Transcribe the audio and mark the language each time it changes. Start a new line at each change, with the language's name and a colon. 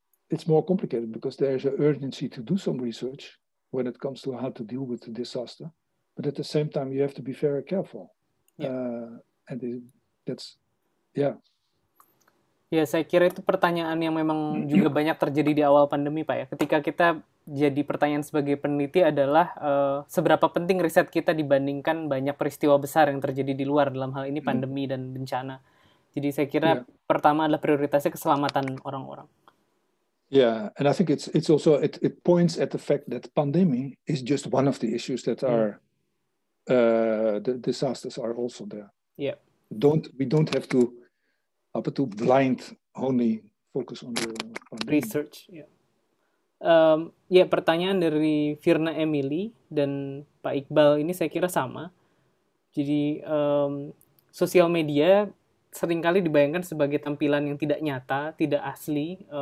English: It's more complicated because there is an urgency to do some research when it comes to how to deal with the disaster. But at the same time, you have to be very careful. Yeah.
Indonesian: Ya, saya kira itu pertanyaan yang memang juga banyak terjadi di awal pandemi, Pak. Ya, ketika kita jadi pertanyaan sebagai peneliti adalah seberapa penting riset kita dibandingkan banyak peristiwa besar yang terjadi di luar dalam hal ini pandemi dan bencana. Jadi saya kira pertama adalah prioritasnya keselamatan orang-orang.
English: Yeah, and I think it's also it points at the fact that pandemic is just one of the issues that are the disasters are also there. Yeah. We don't have to
Indonesian: apa tuh
English: blind only focus on the pandemic. Research.
Indonesian: Yeah, pertanyaan dari Firna Emily dan Pak Iqbal ini saya kira sama. Jadi sosial media seringkali dibayangkan sebagai tampilan yang tidak nyata, tidak asli.